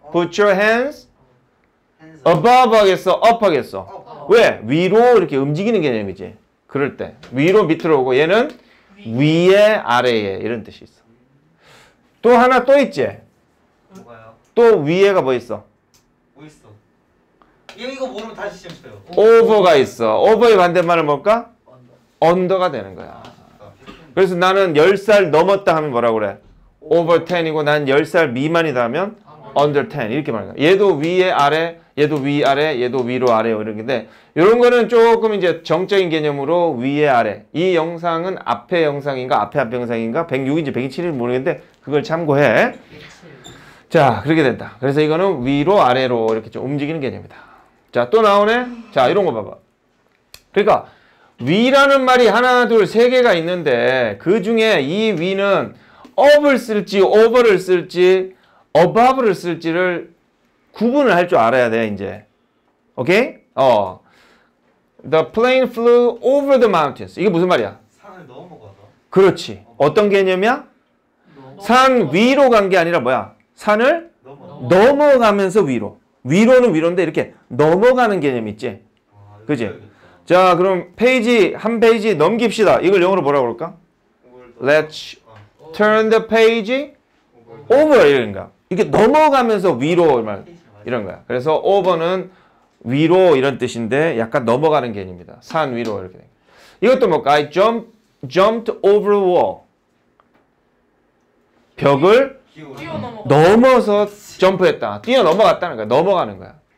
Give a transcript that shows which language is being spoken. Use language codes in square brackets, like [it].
[en] Put your hands above [ko] 하겠어? up 하겠어? 왜? 위로 이렇게 움직이는 개념이지. 그럴 때 위로 밑으로 오고 얘는 위에 아래에 이런 뜻이 있어. 또 하나 또 있지? 뭐가요? 또 위에가 뭐 있어? 이거 모르면 다시 시험쳐요. 오버가 있어. 오버의 반대말은 뭘까? 언더. 언더가 되는 거야. 그래서 나는 10살 넘었다 하면 뭐라고 그래? 오버 10이고 난 10살 미만이다 하면 언더 10 이렇게 말하는 거야. 얘도 위에 아래, 얘도 위 아래, 얘도 위로 아래 이런 건데 이런 거는 조금 이제 정적인 개념으로 위에 아래. 이 영상은 앞에 영상인가 앞에 앞 영상인가 106인지 107인지 모르겠는데 그걸 참고해. 자, 그렇게 된다. 그래서 이거는 위로 아래로 이렇게 좀 움직이는 개념이다. 자, 또 나오네. 자, 이런 거 봐봐. 그러니까 위라는 말이 하나 둘 세 개가 있는데 그 중에 이 위는 up을 쓸지 over를 쓸지 above를 쓸지를 구분을 할 줄 알아야 돼 이제. 오케이? [en] 어, the plane flew over the mountains. [ko] 이게 무슨 말이야? 산을 넘어가서. 그렇지. 어떤 개념이야? 산 위로 간 게 아니라 뭐야? 산을 넘어가면서 위로. 위로는 위로인데 이렇게 넘어가는 개념 있지? 아, 그지? 자, 그럼 페이지 한 페이지 넘깁시다. 이걸 영어로 뭐라고 그럴까? [en] Let's turn the page over [ko] 이런 거야. 이렇게 넘어가면서 위로 말, 이런 거야. 그래서 over는 위로 이런 뜻인데 약간 넘어가는 개념입니다. 산 위로 이렇게 된 거야. 이것도 뭘까? [en] I jumped over the wall. [ko] 벽을 넘어서 점프했다. 뛰어 넘어갔다는 거야. 넘어가는 거야.